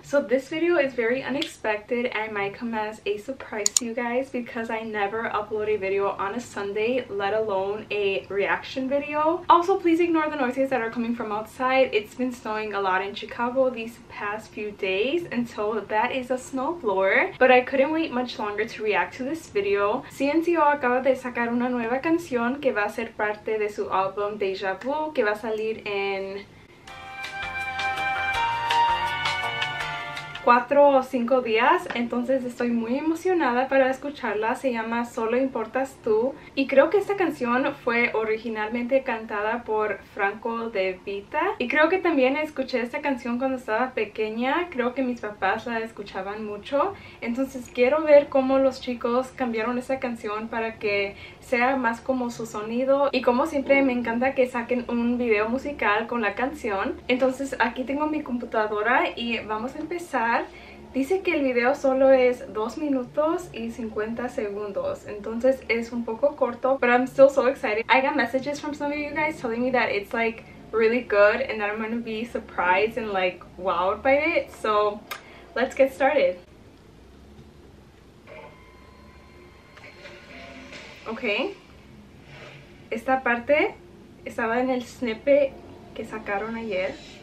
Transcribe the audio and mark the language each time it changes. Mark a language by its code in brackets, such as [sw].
[en] So this video is very unexpected and might come as a surprise to you guys because I never upload a video on a Sunday, let alone a reaction video. Also, please ignore the noises that are coming from outside. It's been snowing a lot in Chicago these past few days, and so that is a snowblower. But I couldn't wait much longer to react to this video. [es] CNCO acaba de sacar una nueva canción que va a ser parte de su álbum Deja Vu, que va a salir en 4 o 5 días, entonces estoy muy emocionada para escucharla. Se llama Solo Importas Tú, y creo que esta canción fue originalmente cantada por Franco De Vita, y creo que también escuché esta canción cuando estaba pequeña. Creo que mis papás la escuchaban mucho, entonces quiero ver cómo los chicos cambiaron esta canción para que sea más como su sonido. Y como siempre, me encanta que saquen un video musical con la canción. Entonces aquí tengo mi computadora y vamos a empezar. Dice que el video solo es 2 minutos y 50 segundos, entonces es un poco corto, but I'm still so excited. [en] I got messages from some of you guys telling me that it's like really good and that I'm gonna be surprised and like wowed by it, so let's get started. [es] Okay, esta parte estaba en el snippet que sacaron ayer.